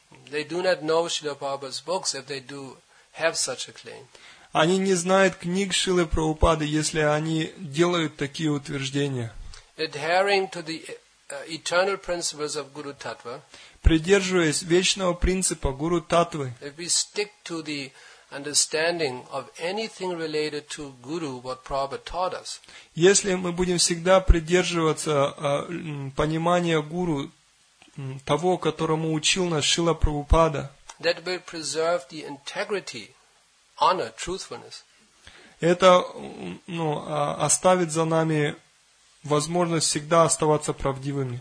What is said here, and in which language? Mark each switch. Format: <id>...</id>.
<en>They do not know Srila Prabhupada's books if they do have such a claim.</en> <ru>Они не знают книг Шрилы Прабхупады, если они делают такие утверждения.</ru> <en>Adhering to the eternal principles of Guru Tattva.</en> <ru>Придерживаясь вечного принципа Гуру Таттвы.</ru> <en>If we stick to the understanding of anything related to Guru, what Prabhupada taught us.</en> <ru>Если мы будем всегда придерживаться понимания Гуру, того, которому учил нас Шрила Прабхупада.</ru> <en>That will preserve the integrity, honor, truthfulness.</en> <ru>Это оставит за нами возможность всегда оставаться правдивыми.</ru>